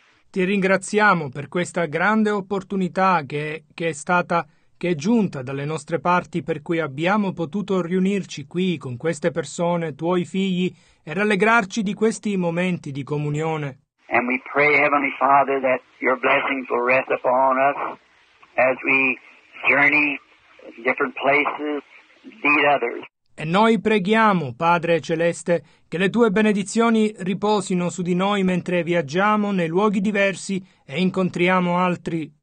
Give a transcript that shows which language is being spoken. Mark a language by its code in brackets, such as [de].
[it] Ti ringraziamo per questa grande opportunità che è giunta dalle nostre parti, per cui abbiamo potuto riunirci qui con queste persone, tuoi figli, e rallegrarci di questi momenti di comunione. [en] And we pray, Heavenly Father, that your blessings will rest upon us as we journey in different places, lead others. [it] E noi preghiamo, Padre Celeste, che le tue benedizioni riposino su di noi mentre viaggiamo nei luoghi diversi e incontriamo altri.